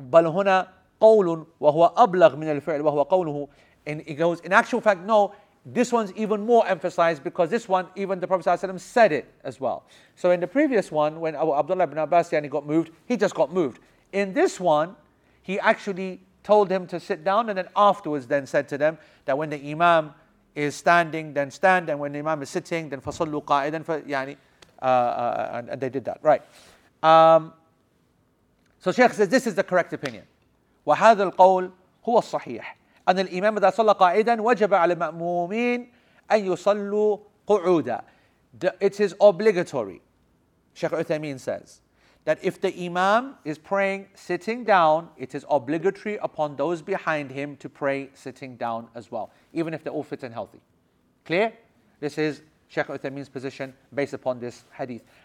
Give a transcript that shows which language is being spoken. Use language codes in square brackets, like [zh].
[ar] بل هنا قول وهو أبلغ من الفعل وهو قوله. [en] And it goes, in actual fact, no, this one's even more emphasized, because this one, even the Prophet ﷺ said it as well. So in the previous one, when Abdullah ibn Abbas, yani, got moved, he just got moved. In this one, he actually told him to sit down, and then afterwards then said to them that when the imam is standing, then stand, and when the imam is sitting, then [ar] فصلوا قائدا, [en] yani. And they did that, right? So Sheikh says this is the correct opinion. [ar] وهذا القول هو الصحيح أن الإمام إذا صلى قائدا وجب على المأمومين أن يصلوا قعودا. [en] It is obligatory, Sheikh Uthaymeen says, that if the Imam is praying sitting down, it is obligatory upon those behind him to pray sitting down as well, even if they're all fit and healthy. Clear? This is Sheikh Uthaymeen's position based upon this hadith.